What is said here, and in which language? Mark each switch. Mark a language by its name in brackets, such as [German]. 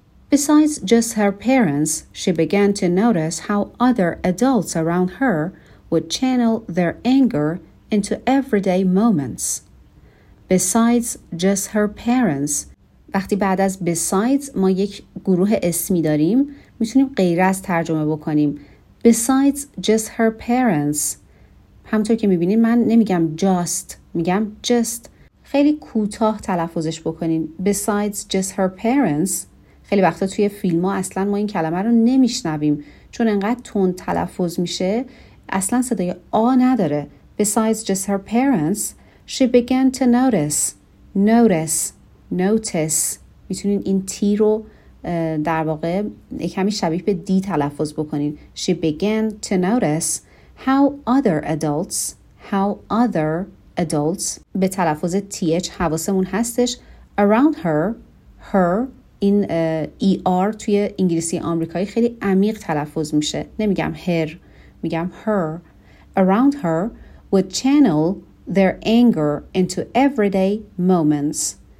[English] Besides just her parents, she began to notice how other adults around her would channel their anger into everyday moments. Besides just her parents, [Persian] وقتی بعد از besides ما یک گروه اسمی داریم، میتونیم غیر از ترجمه بکنیم. [English] Besides just her parents. [Persian] همونطور که میبینید من نمیگم just، میگم just. خیلی کوتاه تلفظش بکنین. [English] Besides just her parents. [Persian] خیلی وقتا توی فیلم ها اصلا ما این کلمه رو نمیشنویم، چون انقدر تون تلفظ میشه اصلا صدای آ نداره. [English] Besides just her parents, she began to notice. Notice. Notice. [Persian] میتونین این تی رو در واقع کمی شبیه به دی تلفظ بکنین. [English] She began to notice how other adults [Persian] به تلفظ TH حواسمون هستش. [English] Around her [Persian] این ER توی انگلیسی آمریکایی خیلی عمیق تلفظ میشه. نمیگم her، میگم her. [English] Around her would channel their anger into everyday moments.